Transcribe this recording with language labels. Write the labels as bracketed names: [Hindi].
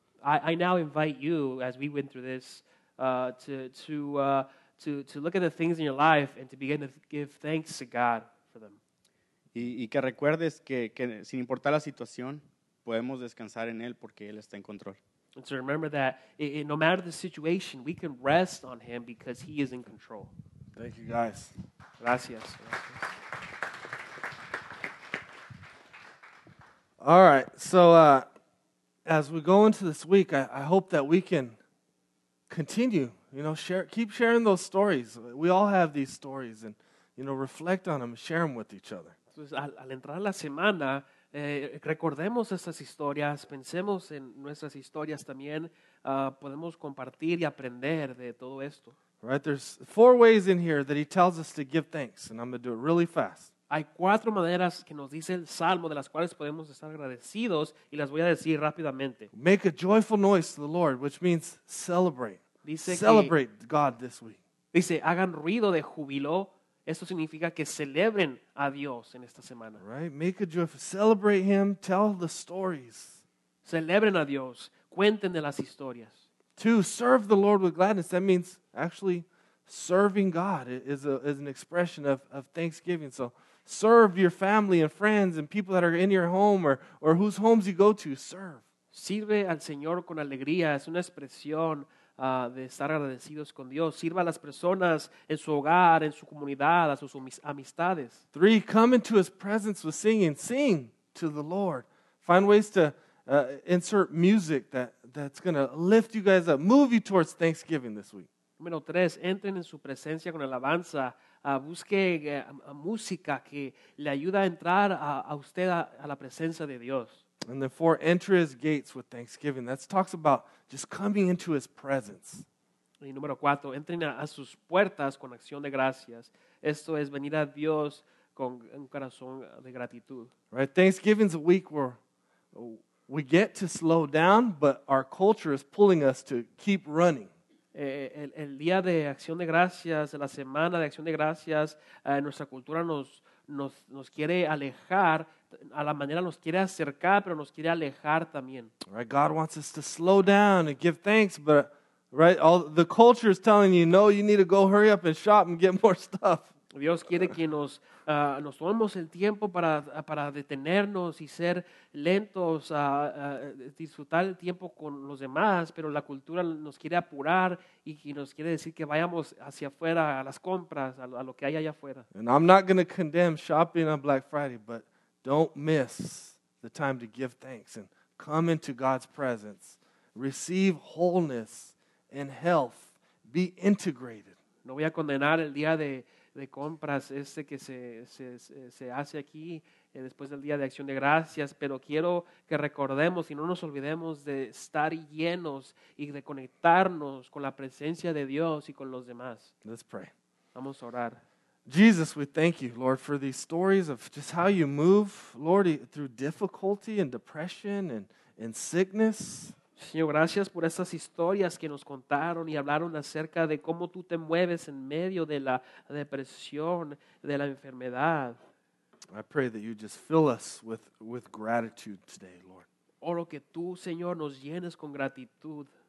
[English] I now invite you, as we went through this, to look at the things in your life and to begin to give thanks to God for them. [Spanish] Y que recuerdes que sin importar la situación, podemos descansar en Él porque Él está en control. [English] And to remember that no matter the situation, we can rest on Him because He is in control. Thank you, guys. [Spanish] Gracias. Gracias. [English] All right, so as we go into this week, I hope that we can continue, keep sharing those stories. We all have these stories, and reflect on them, share them with each other. [Spanish] Entonces, al entrar la semana, recordemos estas historias, pensemos en nuestras historias también, podemos compartir y aprender de todo esto. [English] Right, there's four ways in here that he tells us to give thanks, and I'm going to do it really fast. [Spanish] Hay cuatro maneras que nos dice el Salmo de las cuales podemos estar agradecidos y las voy a decir rápidamente. [English] Make a joyful noise to the Lord, which means celebrate. [Spanish] Dice [English] celebrate God this week. [Spanish] Dice, hagan ruido de júbilo. Esto significa que celebren a Dios en esta semana. [English] Right? Make a joyful, celebrate Him, tell the stories. [Spanish] Celebren a Dios. Cuenten de las historias. [English] Two, serve the Lord with gladness. That means actually serving God is an expression of thanksgiving. So serve your family and friends and people that are in your home or whose homes you go to. Serve. [Spanish] Sirve al Señor con alegría. Es una expresión de estar agradecidos con Dios. Sirva a las personas en su hogar, en su comunidad, a sus amistades. [English] Three, come into His presence with singing. Sing to the Lord. Find ways to insert music that's going to lift you guys up, move you towards thanksgiving this week. [Spanish] Número tres, entren en su presencia con alabanza. Busque música que le ayuda a entrar a usted a la presencia de Dios. [English] And then four, enter His gates with thanksgiving. That talks about just coming into His presence. [Spanish] Y número cuatro, entren a sus puertas con acción de gracias. Esto es venir a Dios con un corazón de gratitud. [English] Right, Thanksgiving's a week where we get to slow down, but our culture is pulling us to keep running. [Spanish] El día de Acción de Gracias, la semana de Acción de Gracias, nuestra cultura nos quiere alejar, a la manera nos quiere acercar, pero nos quiere alejar también. [English] Right, God wants us to slow down and give thanks, but right, all the culture is telling you, no, you need to go hurry up and shop and get more stuff. [Spanish] Dios quiere que nos tomemos el tiempo para detenernos y ser lentos a disfrutar el tiempo con los demás, pero la cultura nos quiere apurar y nos quiere decir que vayamos hacia afuera a las compras, a lo que hay allá afuera. [English] And I'm not going to condemn shopping on Black Friday, but don't miss the time to give thanks and come into God's presence. Receive wholeness and health. Be integrated. [Spanish] No voy a condenar el día de compras este que se hace aquí después del día de Acción de Gracias, pero quiero que recordemos y no nos olvidemos de estar llenos y de conectarnos con la presencia de Dios y con los demás. [English] Let's pray. [Spanish] Vamos a orar. [English] Jesus, we thank you, Lord, for these stories of just how you move, Lord, through difficulty and depression and sickness. [Spanish] Señor, gracias por esas historias que nos contaron y hablaron acerca de cómo tú te mueves en medio de la depresión, de la enfermedad. [English] I pray that you just fill us with gratitude today, Lord. [Spanish] Oro que tú, Señor, nos llenes con gratitud.